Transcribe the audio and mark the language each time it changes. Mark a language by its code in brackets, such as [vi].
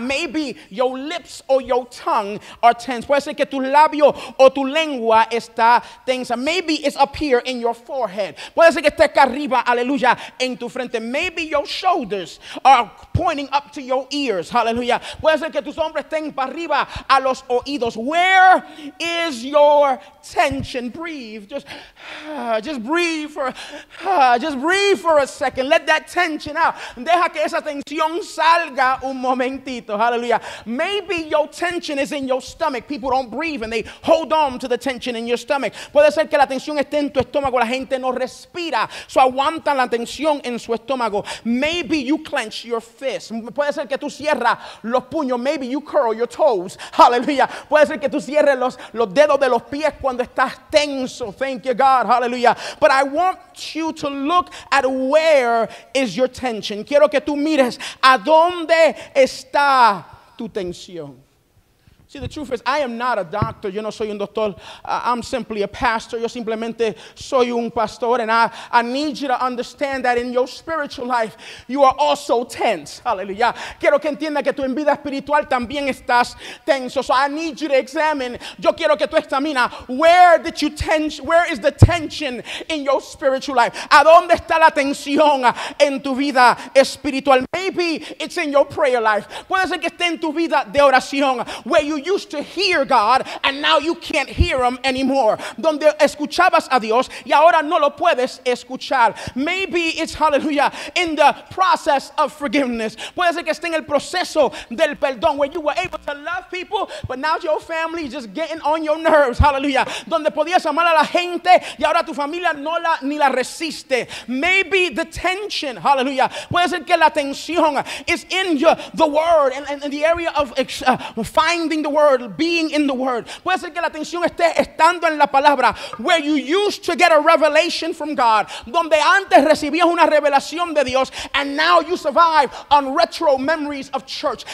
[en] Maybe your lips or your tongue are tense. [es] Puede ser que tu labio o tu lengua está tensa. [en] Maybe it's up here in your forehead. [es] Puede ser que esté acá arriba, aleluya, en tu frente. [en] Maybe your shoulders are pointing up to your ears, hallelujah. [es] Puede ser que tus hombros estén para arriba a los oídos. [en] Where is your tension? Breathe, just breathe for a second. Let that tension out. [es] Deja que esa tensión salga un momentito, hallelujah. [en] Maybe your tension is in your stomach. People don't breathe and they hold on to the tension in your stomach. [es] Puede ser que la tensión esté en tu estómago. La gente no respira, so aguanta la tensión en su estómago. [en] Maybe you clench your fist. [es] Puede ser que tú cierras los puños. [en] Maybe you curl your toes. Hallelujah. [es] Puede ser que tú cierres los dedos de los pies cuando estás tenso. [en] Thank you, God. Hallelujah. But I want you to look at where is your tension. [es] Quiero que tú mires a dónde está tu tensión. [en] See, the truth is, I am not a doctor. [es] Yo no soy un doctor. [en] I'm simply a pastor. [es] Yo simplemente soy un pastor. [en] And I need you to understand that in your spiritual life, you are also tense. Hallelujah. [es] Quiero que entienda que tu en vida espiritual también estás tenso. [en] So I need you to examine. [es] Yo quiero que tú examina. [en] Where is the tension in your spiritual life? [es] ¿A dónde está la tensión en tu vida espiritual? [en] Maybe it's in your prayer life. [es] Puede ser que esté en tu vida de oración. [en] Where you used to hear God and now you can't hear him anymore. [es] Donde escuchabas a Dios y ahora no lo puedes escuchar. [en] Maybe it's, hallelujah, in the process of forgiveness. [es] Puede ser que esté en el proceso del perdón, [en] where you were able to love people but now your family is just getting on your nerves. Hallelujah. [es] Donde podías amar a la gente y ahora tu familia no la ni la resiste. [en] Maybe the tension, hallelujah, [es] puede ser que la tensión [en] is in the word and in the area of finding the word, being in the word. [es] Puede ser que la tensión esté estando en la palabra, [en] where you used to get a revelation from God, [es] donde antes recibías una revelación de Dios, [en] and now you survive on retro memories of church.